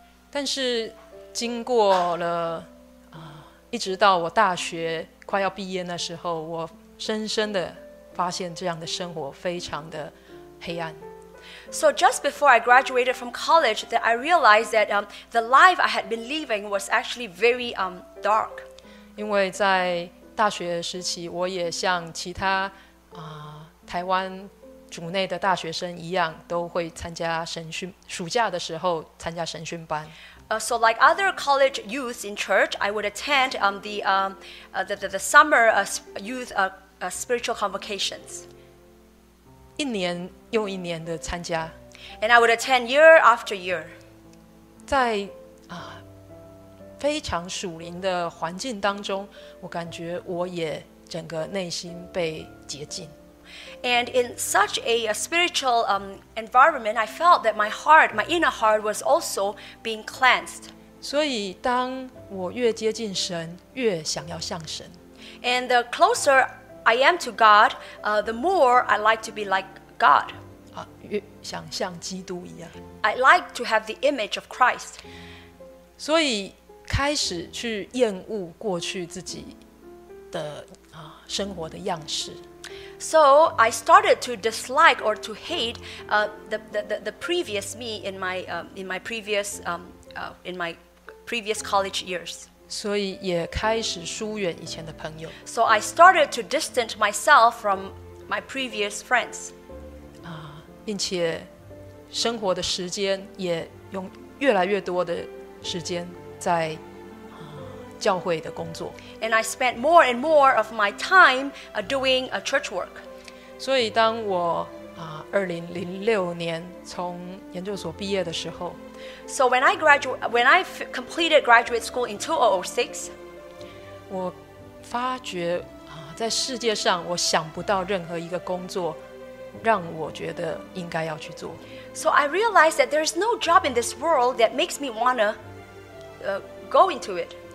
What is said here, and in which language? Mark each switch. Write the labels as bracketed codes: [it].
[zh] 但是经过了一直到我大学快要毕业那时候，我深深的发现这样的生活非常的黑暗。 [en] So just before I graduated from college, that I realized that the life I had been living was actually very dark. [zh] 因为在大学时期我也像其他台湾主内的大学生一样都会参加神训暑假的时候参加神训班。 [en] So like other college youth in church, I would attend the summer youth spiritual convocations. [zh] 一年又一年的参加。 [en] And I would attend year after year. [zh] 在非常属灵的环境当中，我感觉我也整个内心被洁净。 [en] And in such a spiritual environment, I felt that my heart, my inner heart was also being cleansed. [zh] 所以当我越接近神，越想要像神。 [en] And the closer I am to God, the more I like to be like God. [zh] 越想像基督一样。 [en] I like to have the image of Christ. [zh] 所以开始去厌恶过去自己的生活的样式。 [en] So I started to dislike or to hate the previous me in my previous college years. [zh] 所以也开始疏远以前的朋友。 [en] So I started to distance myself from my previous friends. [zh] 并且生活的时间也用越来越多的时间在教会的工作。 [en] And I spent more and more of my time doing a church work. [zh] 所以当我2006年从研究所毕业的时候， [en] So when I completed graduate school in 2006, [zh] 我发觉在世界上我想不到任何一个工作让我觉得应该要去做。 [en] So I realized that there's no job in this world that makes me want to go into it.